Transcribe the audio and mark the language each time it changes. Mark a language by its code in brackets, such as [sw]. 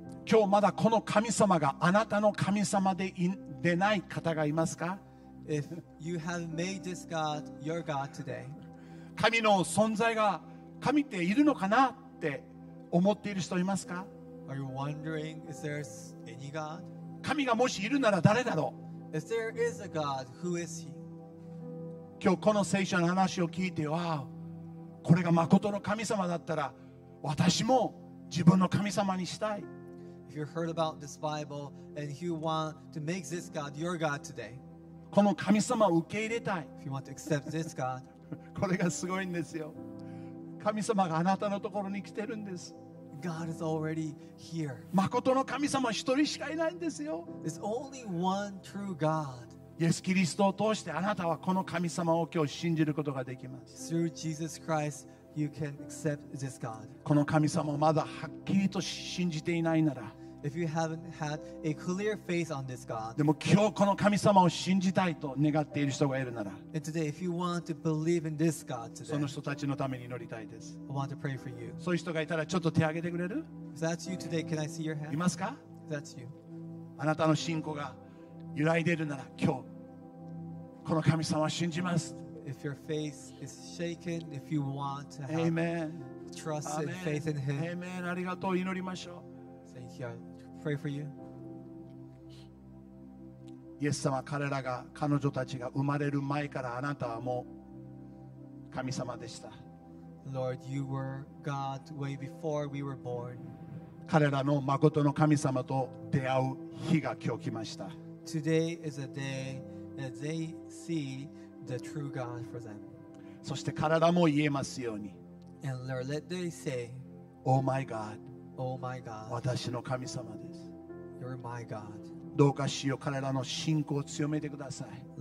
[ja] 今日まだこの神様があなたの神様で出ない方がいますか? [en] If you have made this God your God today. [ja] 神の存在が神っているのかなって思っている人いますか? [en] Are you wondering is there any God? [ja] 神がもしいるなら誰だろう? [en] If there is a God, who is he? [ja] 今日この聖書の話を聞いて、わあ、これが誠の神様だったら、私も自分の神様にしたい。 [en] If you heard about this Bible and you want to make this God your God today, [ja] この神様を受け入れたい。 [en] If you want to accept this God, [ja] これがすごいんですよ。神様があなたのところに来てるんです。 [en] God is already here. [ja] 真の神様一人しかいないんですよ。 [en] There's only one true God. [ja] イエス・キリストを通してあなたはこの神様を今日信じることができます。 [en] Through Jesus Christ, you can accept this God. [ja] この神様をまだはっきりと信じていないなら、 [en] If you haven't had a clear faith on this God, [ja] でも今日この神様を信じたいと願っている人がいるなら、 [en] And today, if you want to believe in this God today, [ja] その人たちのために祈りたいです。 [en] I want to pray for you. [ja] そういう人がいたらちょっと手を挙げてくれる? [en] If that's you today, can I see your hand? [ja] いますか? [en] That's you. [ja] あなたの信仰が揺らいでいるなら、今日この神様を信じます。 [en] If your faith is shaken, if you want to have Amen. trust and faith in Him, Amen. [ja] ありがとう。祈りましょう。 [en] Pray for you. [ja] イエス様、彼らが彼女たちが生まれる前からあなたはもう神様でした。 [en] Lord, you were God way before we were born. [ja] 彼らの誠の神様と出会う日が今日来ました。 [en] Today is a day that they see the true God for them. [ja] そして彼らも言えますように。 [en] And Lord, let they say, Oh my God. Oh、my God. [ja] 私の神様です。 [en] You're my God. [ja] どうか主よ彼らの信仰を強めてください。